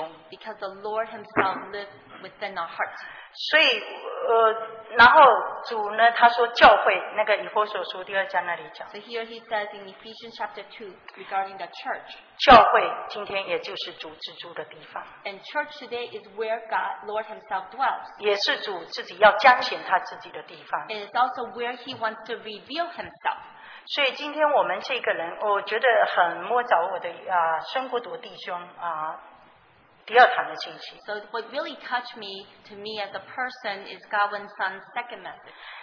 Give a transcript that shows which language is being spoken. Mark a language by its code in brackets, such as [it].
[en] Because the Lord Himself lives within our hearts. [zh] 所以然后主呢, 他说教会, 那个以弗所书第二章那里讲, [en] so here he says in Ephesians chapter 2 regarding the church. [zh] 教会今天也就是主自住的地方, [en] and church today is where God, Lord Himself dwells. [zh] 也是主自己要彰显他自己的地方, [en] and it's also where He wants to reveal Himself. [zh] 所以今天我们这个人, 我觉得很摸着我的生孤独弟兄, 第二堂的信息。 [en] So what really touched me, to me as a person, is Godwin's son's second message.